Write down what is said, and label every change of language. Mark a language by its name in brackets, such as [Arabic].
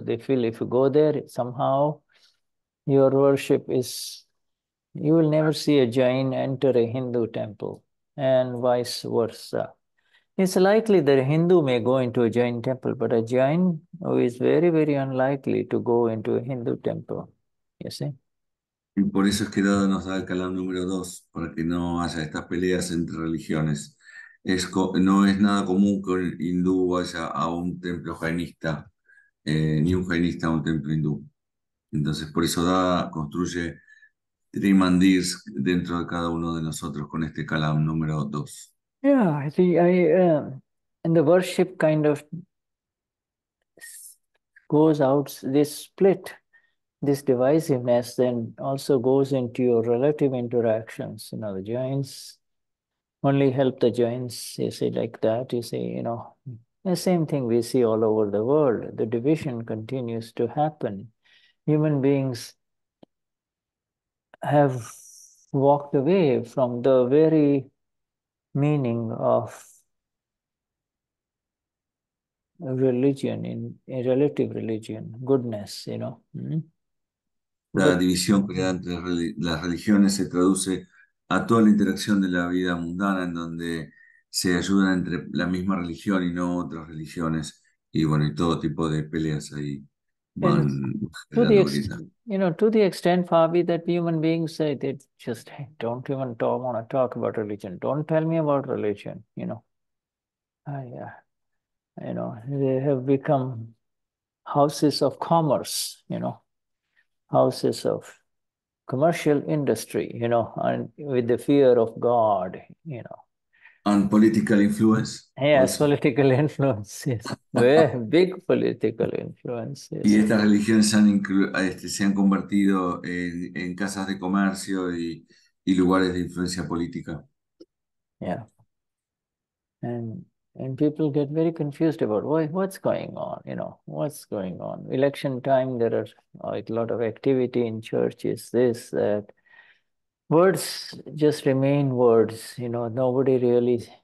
[English] They feel if you go there, somehow your worship is, you will never see a Jain enter a Hindu temple and vice versa. It's likely that a Hindu may go into a Jain temple, but a Jain is very, very unlikely to go into a Hindu temple, you see. [Spanish] Y por eso es que Dada nos da el calón número 2, para que no haya estas peleas entre religiones. No es nada común que un hindú vaya a un templo jainista, ni un jainista a un templo hindú. Entonces, por eso Dada construye trimandirs dentro de cada uno de nosotros con este calón número 2. [English] And the worship kind of goes out this split. This divisiveness then also goes into your relative interactions. You know, the Jains only help the Jains, you say, like that, you say, you know. The same thing we see all over the world. The division continues to happen. Human beings have walked away from the very meaning of religion, in relative religion, goodness, you know. [Spanish] La división creada entre las religiones se traduce a toda la interacción de la vida mundana en donde se ayudan entre la misma religión y no otras religiones. Y bueno, y todo tipo de peleas ahí van generando grietas. [English] You know, to the extent, Fabi, that human beings say they just don't even want to talk about religion. Don't tell me about religion, you know. You know, they have become houses of commerce, you know. Houses of commercial industry, you know, and with the fear of God, you know. And political influence. Yes, political influences. Very big political influences. [Spanish] Y estas religiones se han convertido en casas de comercio y lugares de influencia política. [English] Yeah. And people get very confused about what's going on, you know, what's going on. Election time, there are like a lot of activity in churches, this, that. Words just remain words, you know, nobody really.